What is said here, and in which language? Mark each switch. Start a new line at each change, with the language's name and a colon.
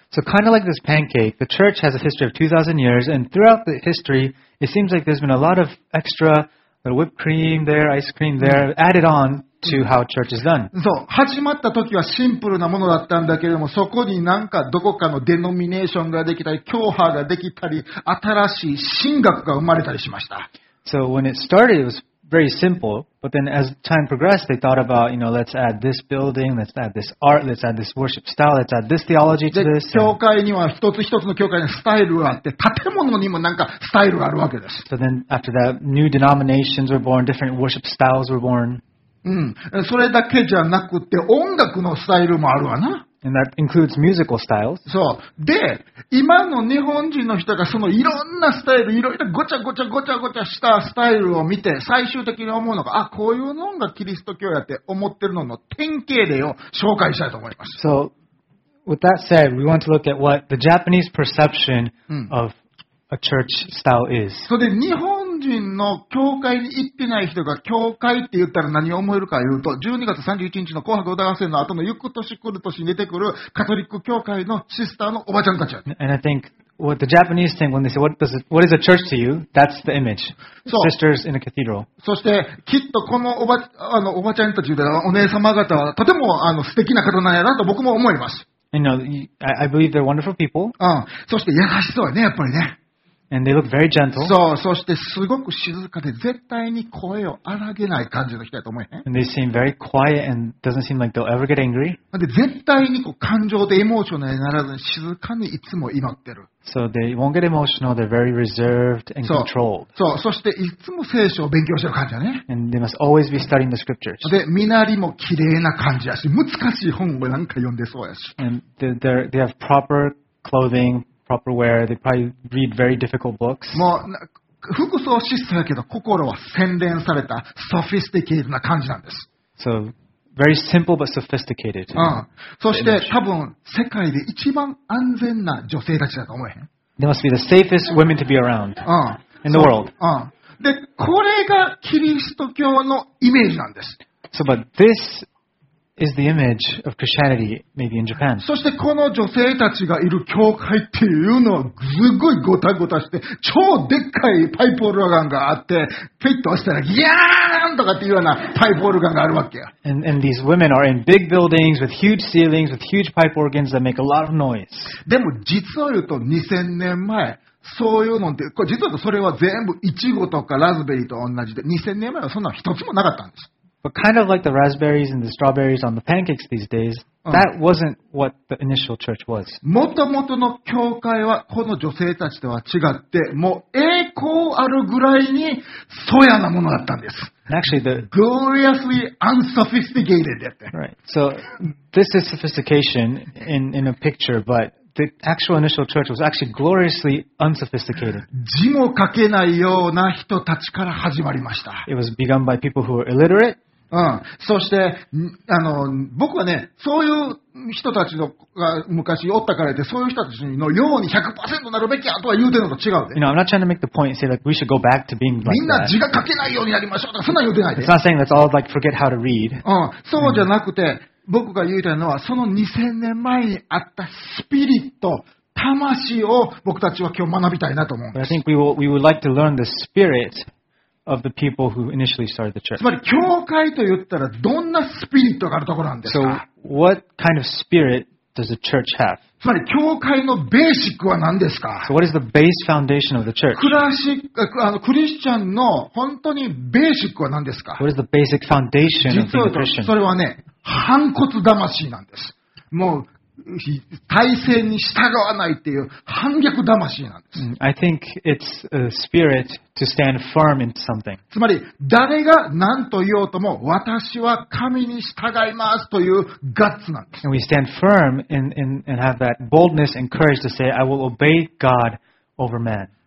English: So kind of like this pancake, the church has a history of 2,000 years and throughout the history, it seems like there's been a lot of extra... The whipped cream there, ice cream there, added on to how church is done.
Japanese: そう、始まった時はシンプルなものだったんだけれども、そこになんかどこかのデノミネーションができたり、教派ができたり、新しい神学が生まれたりしました。
English: So when it started, it was very simple. But then as time progressed, they thought about, you know, let's add this building, let's add this art, let's add this worship style, let's add this theology to this.
Japanese: 教会には一つ一つの教会にスタイルがあって、建物にもなんかスタイルがあるわけです。
English: So then after that, new denominations were born, different worship styles were born.
Japanese: うん。それだけじゃなくて、音楽のスタイルもあるわな。
English: And that includes musical styles.
Japanese: そう。で、今の日本人の人がそのいろんなスタイル、いろいろごちゃごちゃごちゃごちゃしたスタイルを見て、最終的に思うのが、あ、こういうのがキリスト教やって思ってるのの典型例を紹介したいと思います。
English: So, with that said, we want to look at what the Japanese perception of a church style is.
Japanese: そうで、日本人の教会に行ってない人が教会って言ったら何を思えるか言うと、12月31日の紅白歌合戦の後の行く年来る年に出てくるカトリック教会のシスターのおばちゃんたちや。
English: And I think what the Japanese think when they say what is a church to you? That's the image. Sisters in a cathedral.
Japanese: そして、きっとこのおばちゃんたちやお姉様方はとても素敵な方なんやなと僕も思います。
English: And you know, I believe they're wonderful people.
Japanese: そして優しそうやね、やっぱりね。
English: And they look very gentle.
Japanese: そう、そしてすごく静かで絶対に声を荒げない感じの人だと思う。
English: And they seem very quiet and doesn't seem like they'll ever get angry.
Japanese: で絶対にこう感情でエモーショナルにならずに静かにいつも祈ってる。
English: So they won't get emotional. They're very reserved and controlled.
Japanese: そう、そしていつも聖書を勉強してる感じだね。
English: And they must always be studying the scriptures.
Japanese: で身なりも綺麗な感じやし、難しい本をなんか読んでそうやし。
English: And they have proper clothing. Proper wear. They probably read very difficult books.
Japanese: もう服装質素だけど心は洗練されたソフィスティケートな感じなんです。
English: So very simple but sophisticated.
Japanese: そして多分世界で一番安全な女性たちだと思えへん。
English: They must be the safest women to be around in the world.
Japanese: でこれがキリスト教のイメージなんです。
English: So but this. Is the image of Christianity maybe in Japan?
Japanese: そしてこの女性たちがいる教会っていうのはすごいゴタゴタして超でっかいパイプオルガンがあってフィットしたらギャーンとかっていうようなパイプオルガンがあるわけや。
English: And these women are in big buildings with huge ceilings with huge pipe organs that make a lot of noise.
Japanese: でも実を言うと2000年前そういうのって実はそれは全部イチゴとかラズベリーと同じで2000年前はそんなの一つもなかったんです。
English: But kind of like the raspberries and the strawberries on the pancakes these days, that wasn't what the initial church was.
Japanese: もともとの教会はこの女性たちとは違って、もう栄光あるぐらいに粗野なものだったんです。
English: Actually, the gloriously unsophisticated. Right. So this is sophistication in a picture, but the actual initial church was actually gloriously unsophisticated.
Japanese: 字も書けないような人たちから始まりました。
English: It was begun by people who were illiterate.
Japanese: そして僕はね、そういう人たちが昔おったからって、そういう人たちのように 100% なるべきやとは言うてんのと違うで。
English: You know, I'm not trying to make the point and say like we should go back to being like that.
Japanese: みんな字が書けないようになりましょうとか、そんな言うてないで。
English: It's not saying that's all like forget how to read.
Japanese: そうじゃなくて、僕が言うたのは、その2000年前にあったスピリット、魂を僕たちは今日学びたいなと思うんです。
English: But I think we would like to learn the spirit. Of the people who initially started the church.
Japanese: つまり教会と言ったらどんなスピリットがあるところなんですか?
English: So, what kind of spirit does the church have?
Japanese: つまり教会のベーシックは何ですか?
English: So, what is the base foundation of the church?
Japanese: クリスチャンの本当にベーシックは何ですか?
English: What is the basic foundation of being a Christian?
Japanese: 実はそれはね、反骨魂なんです。もう体制に従わないっていう反逆魂なんです。
English: I think it's a spirit to stand firm in something.
Japanese: つまり誰が何と言おうとも私は神に従いますというガッツなんです。
English: And we stand firm and have that boldness and courage to say I will obey God over man.